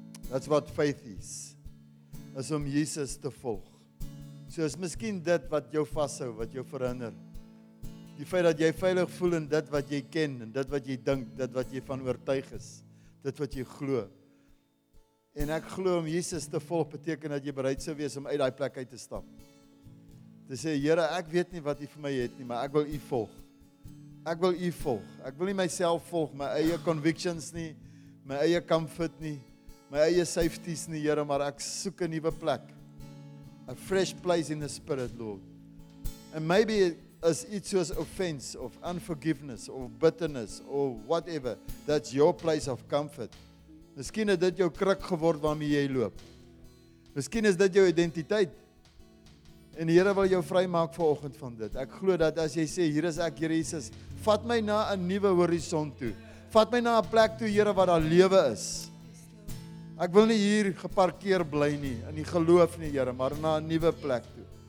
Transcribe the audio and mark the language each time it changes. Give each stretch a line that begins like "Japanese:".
English: That's what faith is
Afrikaans: om Jesus te volg. So is miskien dit wat jou vashou, wat jou verhinder. Die feit dat jy veilig voel in dit wat jy ken, en dit wat jy dink, dit wat jy van oortuig is, dit wat jy glo. En ek glo om Jesus te volg beteken dat jy bereid sou wees om uit daai plek uit te stap. Te sê, "Here, ek weet nie wat U vir my het nie, maar ek wil U volg. Ek wil U volg. Ek wil nie myself volg, my eie convictions nie, my eie comfort nie, my eie safeties nie, Here, maar ek soek 'n nuwe plek.
English: A fresh place in the Spirit, Lord." And maybe as it's your offense of unforgiveness or bitterness or whatever, that's your place of comfort.
Afrikaans: Miskien het dit jou kruk geword waarmee jy loop. Miskien is dit jou identiteit. En die Here wil jou vrymaak vanoggend van dit. Ek glo dat as jy sê, "Hier is ek, Here Jesus, vat my na 'n nuwe horison toe. Vat my na 'n plek toe, Here, waar daar lewe is. Ek wil nie hier geparkeer bly nie in die geloof nie, Here, maar na 'n nuwe plek toe.